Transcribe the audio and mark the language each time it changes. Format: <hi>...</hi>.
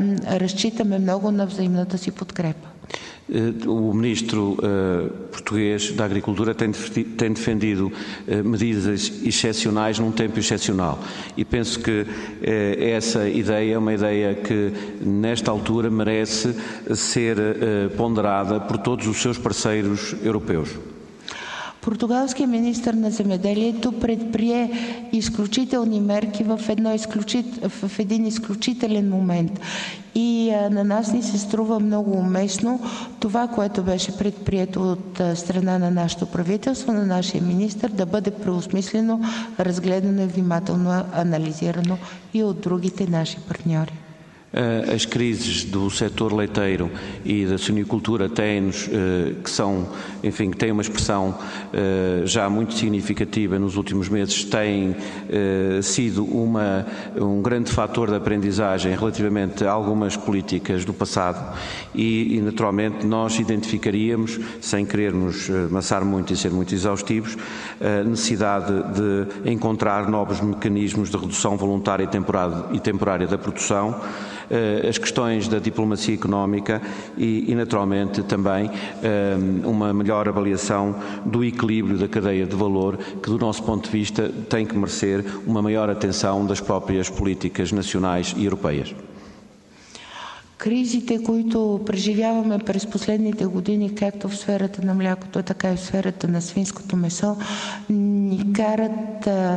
<bg>Разчитаме много на взаимната си подкрепа.</bg> <pt>O ministro português da Agricultura tem defendido medidas excepcionais num tempo excepcional. E penso que essa ideia é uma ideia que, nesta altura, merece ser ponderada por todos os seus parceiros europeus.</pt> <bg>Португалският министър на земеделието предприе изключителни мерки в един изключителен момент. И на нас ни се струва много уместно това, което беше предприето от страна на нашето правителство, на нашия министър, да бъде преосмислено, разгледано и внимателно анализирано и от другите наши партньори.</bg> <pt>As crises do setor leiteiro e da suinocultura têm-nos, que são, enfim, que têm uma expressão já muito significativa nos últimos meses, têm sido um grande fator de aprendizagem relativamente a algumas políticas do passado e naturalmente nós identificaríamos, sem querermos amassar muito e ser muito exaustivos, a necessidade de encontrar novos mecanismos de redução voluntária e temporária da produção, as questões da diplomacia económica e naturalmente, também uma melhor avaliação do equilíbrio da cadeia de valor, que, do nosso ponto de vista, tem que merecer uma maior atenção das próprias políticas nacionais e europeias.</pt> <bg>Кризите, които преживяваме през последните години, както в сферата на млякото, така и в сферата на свинското месо, ни карат</bg>